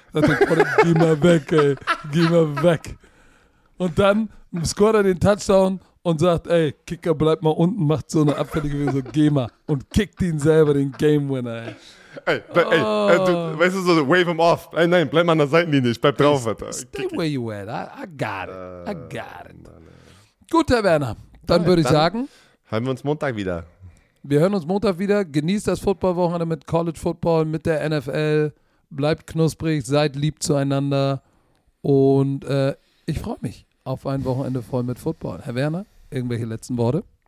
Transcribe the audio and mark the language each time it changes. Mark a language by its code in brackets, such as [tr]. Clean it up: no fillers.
[de] Sagt er, geh mal weg, ey. Geh mal weg. Und dann scoret er den Touchdown. Und sagt, ey, Kicker, bleib mal unten, macht so eine abfällige Wiese, geh mal. Und kickt ihn selber, den Game-Winner, ey. Weißt du, so wave him off. Ey, nein, bleib mal an der Seitenlinie, ich bleib drauf. Alter. [en] Stay kick where you at, I got it. [de] Gut, Herr Werner, dann würde ich sagen, hören wir uns Montag wieder. Wir hören uns Montag wieder, genießt das Football-Wochenende mit College-Football, mit der NFL. Bleibt knusprig, seid lieb zueinander und ich freue mich. Auf ein Wochenende voll mit Football. Herr Werner, irgendwelche letzten Worte?